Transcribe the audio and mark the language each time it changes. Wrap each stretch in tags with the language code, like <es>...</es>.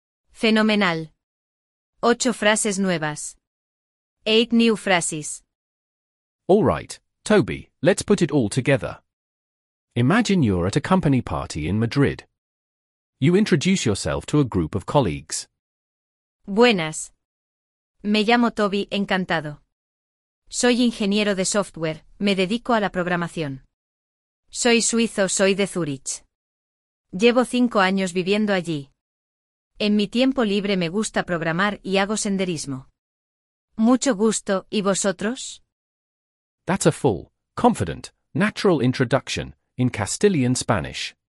<es>Fenomenal. 8 frases nuevas.</es> <en>8 new phrases. All right, Toby, let's put it all together. Imagine you're at a company party in Madrid. You introduce yourself to a group of colleagues.</en> <es>Buenas. Me llamo Toby, encantado. Soy ingeniero de software, me dedico a la programación. Soy suizo, soy de Zurich. Llevo 5 años viviendo allí. En mi tiempo libre me gusta programar y hago senderismo. Mucho gusto, ¿y vosotros?</es> <en>That's a full, confident, natural introduction in Castilian Spanish.</en>